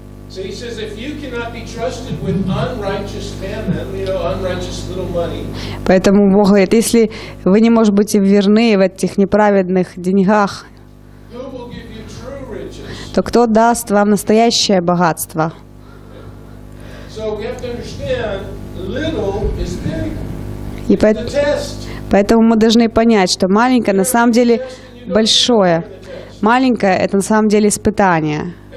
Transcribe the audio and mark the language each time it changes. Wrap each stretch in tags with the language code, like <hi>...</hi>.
<en>So he says, if you cannot be trusted with unrighteous mammon, you know, unrighteous little money.</en> <ru>Поэтому Бог говорит, если вы не можете быть верны в этих неправедных деньгах,</ru> <en>who will give you true riches?</en> <ru>То кто даст вам настоящее богатство?</ru> <en>So we have to understand, little is big.</en> <ru>И поэтому мы должны понять, что маленькое на самом деле большое. Маленькое это на самом деле испытание.</ru>